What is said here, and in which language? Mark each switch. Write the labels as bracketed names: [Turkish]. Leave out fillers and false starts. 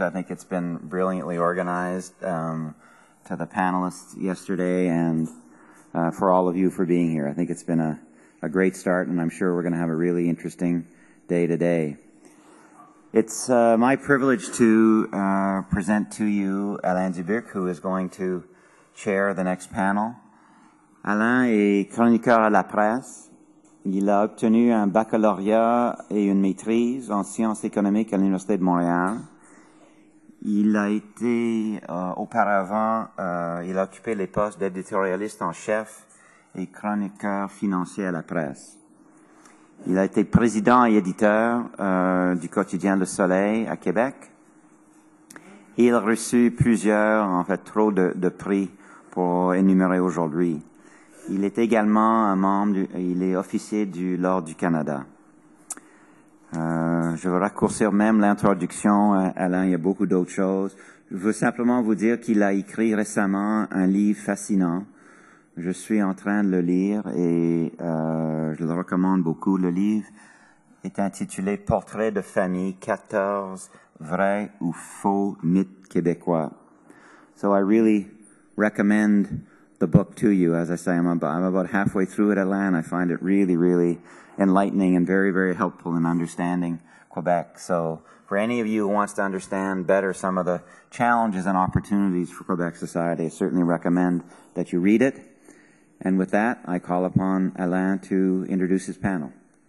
[English] I think it's been brilliantly organized, to the panelists yesterday, and for all of you for being here. I think it's been a great start, and I'm sure we're going to have a really interesting day today. It's my privilege to present to you Alain Dubuc, who is going to chair the next panel. [French] Alain est chroniqueur à la presse. Il a obtenu un baccalauréat et une maîtrise en sciences économiques à l'Université de Montréal. Il a été il a occupé les postes d'éditorialiste en chef et chroniqueur financier à la presse. Il a été président et éditeur du quotidien Le Soleil à Québec. Il a reçu trop de prix pour énumérer aujourd'hui. Il est également un membre, il est officier de l'Ordre du Canada. Je vais raccourcir même l'introduction, Alain, il y a beaucoup d'autres choses. Je veux simplement vous dire qu'il a écrit récemment un livre fascinant. Je suis en train de le lire et je le recommande beaucoup. Le livre est intitulé « Portrait de famille, 14 vrais ou faux mythes québécois ». [English] So I really recommend the book to you. As I say, I'm about halfway through it, Alain. I find it really, really enlightening and very, very helpful in understanding Quebec. So for any of you who wants to understand better some of the challenges and opportunities for Quebec society, I certainly recommend that you read it. And with that, I call upon Alain to introduce his panel.